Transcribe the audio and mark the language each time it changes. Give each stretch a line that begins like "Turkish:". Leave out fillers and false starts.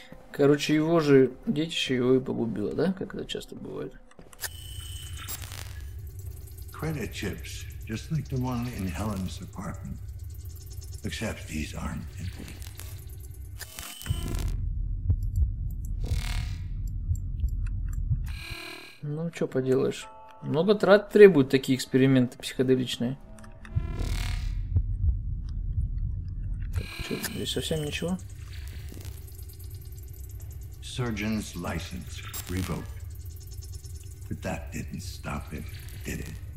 Russian: Короче, его же детище его и погубило, да? Как это часто бывает.
English: Credit chips, just like the one in Helen's apartment. Except these aren't empty.
Russian: Ну, что поделаешь. Много трат требуют такие эксперименты психоделичные. Так, что, здесь совсем ничего?
English: Surgeon's license revoked. But that didn't stop him, did it?